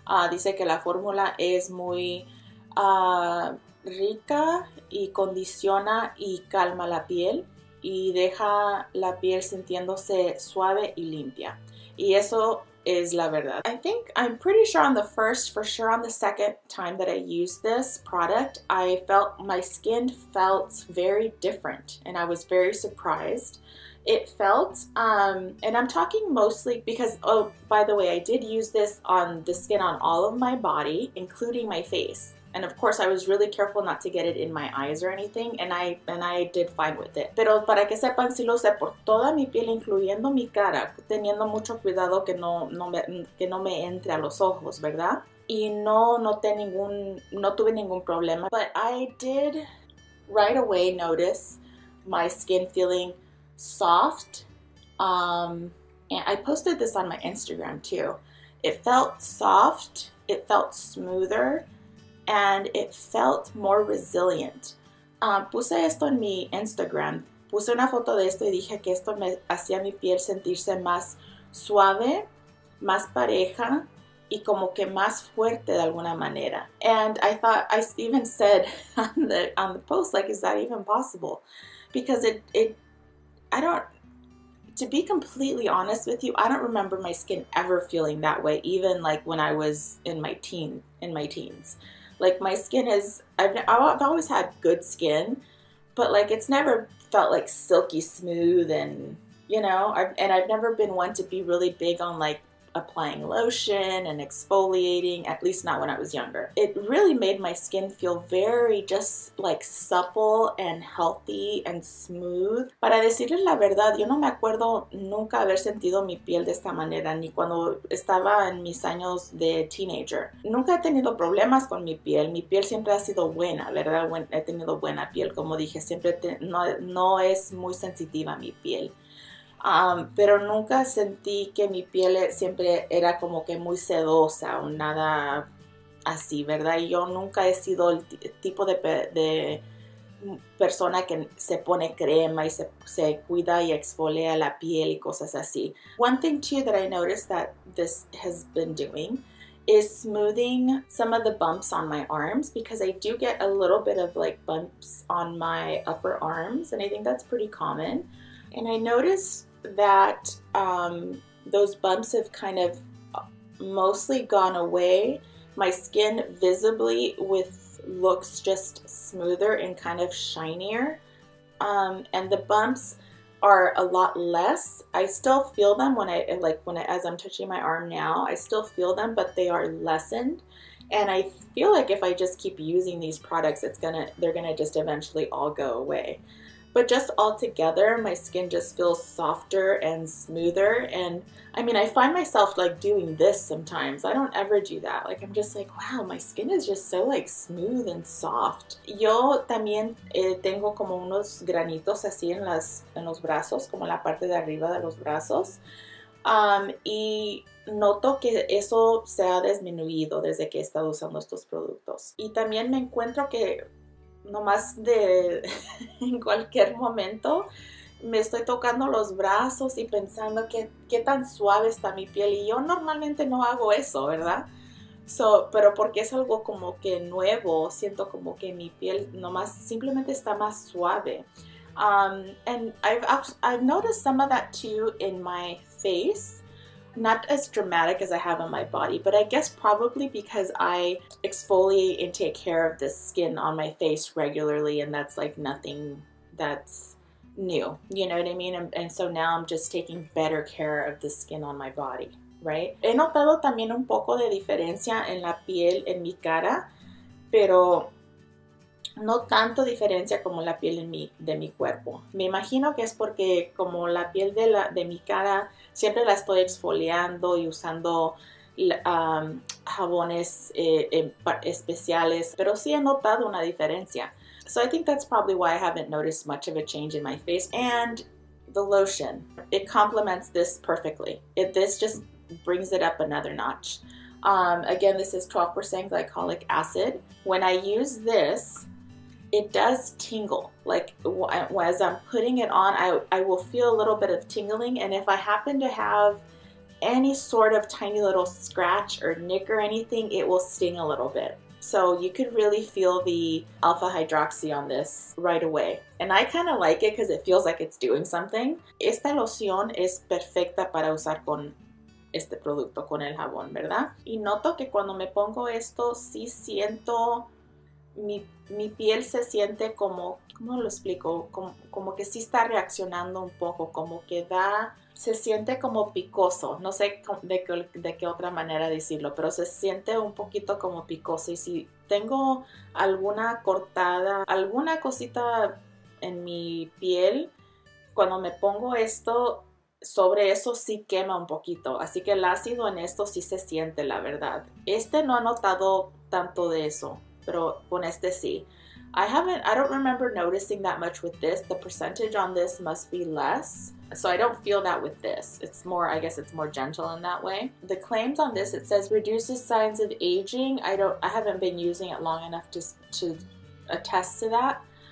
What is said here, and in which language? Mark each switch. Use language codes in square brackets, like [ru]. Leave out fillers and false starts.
[es] Dice que la fórmula es muy rica y condiciona y calma la piel y deja la piel sintiéndose suave y limpia. Y eso es la verdad. [en] I think I'm pretty sure on the first, for sure on the second time that I used this product, I felt my skin felt very different and I was very surprised. It felt, and I'm talking mostly because, oh, by the way, I did use this on the skin on all of my body, including my face. And of course, I was really careful not to get it in my eyes or anything, and I did fine with it. [es] Pero para que sepan, sí lo usé por toda mi piel, incluyendo mi cara, teniendo mucho cuidado que no me entre a los ojos, ¿verdad? Y no tuve ningún problema. [en] But I did right away notice my skin feeling soft. And I posted this on my Instagram too. It felt soft, it felt smoother. And it felt more resilient. [es] Puse esto en mi Instagram. Puse una foto de esto y dije que esto me hacía mi piel sentirse más suave, más pareja y como que más fuerte de alguna manera. [en] And I thought, I even said on the post, like, is that even possible? Because I don't, to be completely honest with you, I don't remember my skin ever feeling that way, even like when I was in my teens. Like my skin is, I've always had good skin, but like it's never felt like silky smooth and, you know, I've never been one to be really big on like applying lotion and exfoliating, at least not when I was younger. It really made my skin feel very just like supple and healthy and smooth. [es] Para decirles la verdad, yo no me acuerdo nunca haber sentido mi piel de esta manera, ni cuando estaba en mis años de teenager. Nunca he tenido problemas con mi piel siempre ha sido buena, ¿verdad? He tenido buena piel, como dije, siempre no es muy sensitiva mi piel. Pero nunca sentí que mi piel siempre era como que muy sedosa o nada así, ¿verdad? Y yo nunca he sido el tipo de persona que se pone crema y se cuida y exfolia la piel y cosas así. [en] One thing too that I noticed that this has been doing is smoothing some of the bumps on my arms because I do get a little bit of like bumps on my upper arms and I think that's pretty common. And I noticed that those bumps have kind of mostly gone away. My skin visibly with looks just smoother and kind of shinier. And the bumps are a lot less. I still feel them as I'm touching my arm now, I still feel them, but they are lessened. And I feel like if I just keep using these products, they're gonna just eventually all go away. But just altogether, my skin just feels softer and smoother. And I mean, I find myself like doing this sometimes. I don't ever do that. Like, I'm just like, wow, my skin is just so like smooth and soft. [es] Yo también tengo como unos granitos así en los brazos, como en la parte de arriba de los brazos. Y noto que eso se ha disminuido desde que he estado usando estos productos. Y también me encuentro que nomás en cualquier momento me estoy tocando los brazos y pensando qué tan suave está mi piel. Y yo normalmente no hago eso, ¿verdad? Pero porque es algo como que nuevo, siento como que mi piel nomás simplemente está más suave. [en] And I've noticed some of that too in my face. Not as dramatic as I have on my body, but I guess probably because I exfoliate and take care of the skin on my face regularly, and that's like nothing that's new. You know what I mean? And so now I'm just taking better care of the skin on my body, right? [es] He notado también un poco de diferencia en la piel, en mi cara, pero No tanto diferencia como la piel de mi cuerpo. Me imagino que es porque como la piel de de mi cara siempre la estoy exfoliando y usando jabones especiales, pero sí he notado una diferencia. [en] So I think that's probably why I haven't noticed much of a change in my face. And the lotion, it complements this perfectly. This just brings it up another notch. Again, this is 12% glycolic acid. When I use this, it does tingle. Like as I'm putting it on, I will feel a little bit of tingling. And if I happen to have any sort of tiny little scratch or nick or anything, it will sting a little bit. So you could really feel the alpha hydroxy on this right away. And I kind of like it because it feels like it's doing something. [es] Esta loción es perfecta para usar con este producto, con el jabón, ¿verdad? Y noto que cuando me pongo esto, sí siento mi piel se siente como, ¿cómo lo explico? Como que sí está reaccionando un poco, como que se siente como picoso. No sé de qué otra manera decirlo, pero se siente un poquito como picoso. Y si tengo alguna cortada, alguna cosita en mi piel, cuando me pongo esto, sobre eso sí quema un poquito. Así que el ácido en esto sí se siente, la verdad. Este no he notado tanto de eso. Pero con este sí. [en] I don't remember noticing that much with this. The percentage on this must be less. So I don't feel that with this. I guess it's more gentle in that way. The claims on this, it says reduces signs of aging. I haven't been using it long enough to attest to that.